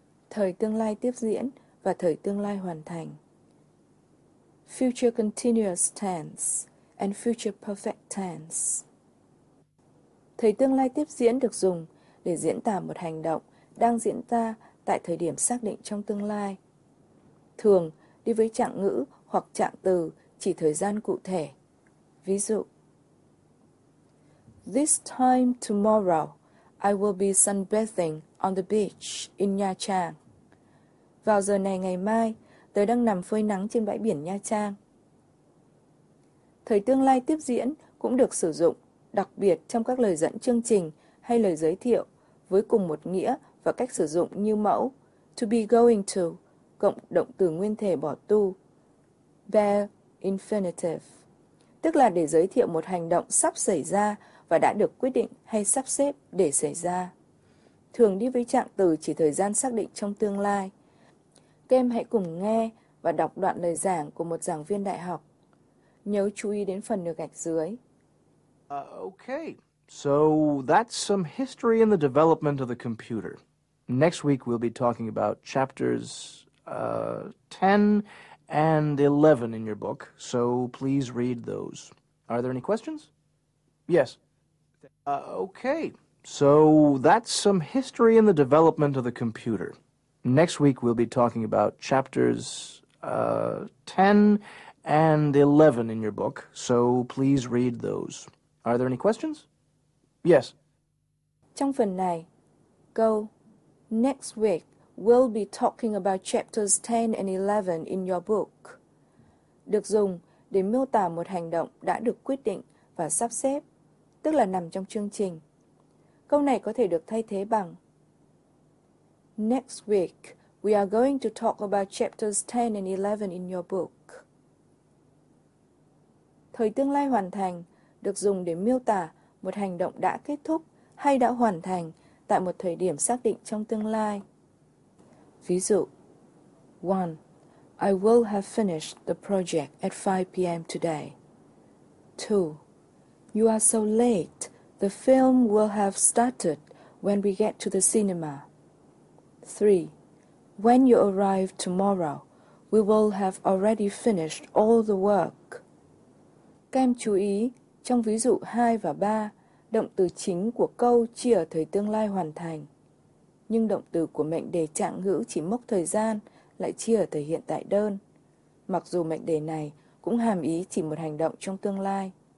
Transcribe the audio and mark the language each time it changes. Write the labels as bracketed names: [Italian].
[Vietnamese] Thời tương lai tiếp diễn và thời tương lai hoàn thành. [English] Future continuous tense and future perfect tense. [Vietnamese] Thời tương lai tiếp diễn được dùng để diễn tả một hành động đang diễn ra tại thời điểm xác định trong tương lai. Thường đi với trạng ngữ hoặc trạng từ chỉ thời gian cụ thể. Ví dụ, [English] this time tomorrow, I will be sunbathing on the beach in Nha Trang. [Vietnamese] Vào giờ này ngày mai, tớ đang nằm phơi nắng trên bãi biển Nha Trang. Thời tương lai tiếp diễn cũng được sử dụng, đặc biệt trong các lời dẫn chương trình hay lời giới thiệu, với cùng một nghĩa và cách sử dụng như mẫu to be going to, cộng động từ nguyên thể bỏ tu, [English] bare infinitive. [Vietnamese] Tức là để giới thiệu một hành động sắp xảy ra và đã được quyết định hay sắp xếp để xảy ra. Thường đi với trạng từ chỉ thời gian xác định trong tương lai. Các em hãy cùng nghe và đọc đoạn lời giảng của một giảng viên đại học. Nhớ chú ý đến phần được gạch dưới. [English] Okay, so that's some history in the development of the computer. Next week we'll be talking about chapters 10 and 11 in your book, so please read those. Are there any questions? Yes. Okay, so that's some history in the development of the computer. Next week we'll be talking about chapters 10 and 11 in your book, so please read those. Are there any questions? Yes. [Vietnamese] Trong phần này, go. [English] Next week we'll be talking about chapters 10 and 11 in your book. [Vietnamese] Được dùng để miêu tả một hành động đã được quyết định và sắp xếp, tức là nằm trong chương trình. Câu này có thể được thay thế bằng [English] next week, we are going to talk about chapters 10 and 11 in your book. [Vietnamese] Thời tương lai hoàn thành được dùng để miêu tả một hành động đã kết thúc hay đã hoàn thành tại một thời điểm xác định trong tương lai. Ví dụ, 1. [English] I will have finished the project at 5 p.m. today. 2. You are so late, the film will have started when we get to the cinema. 3. When you arrive tomorrow, we will have already finished all the work. [Vietnamese] Các em chú ý, trong ví dụ 2 và 3, động từ chính của câu chia thời tương lai hoàn thành. Nhưng động từ của mệnh đề trạng ngữ chỉ mốc thời gian lại chia ở thời hiện tại đơn, mặc dù mệnh đề này cũng hàm ý chỉ một hành động trong tương lai.